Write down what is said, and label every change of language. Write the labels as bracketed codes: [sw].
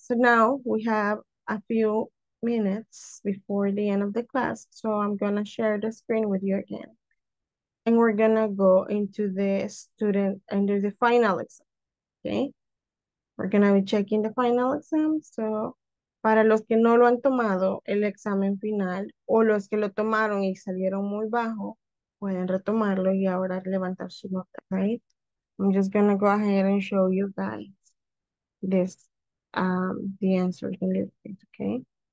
[en] So now we have a few minutes before the end of the class. So I'm going to share the screen with you again. And we're going to go into the student and do the final exam. Okay. We're going to be checking the final exam. [es] So, para los que no lo han tomado el examen final, o los que lo tomaron y salieron muy bajo, pueden retomarlo y ahora levantar su nota, right? [en] I'm just going to go ahead and show you guys this, the answers in this case, okay?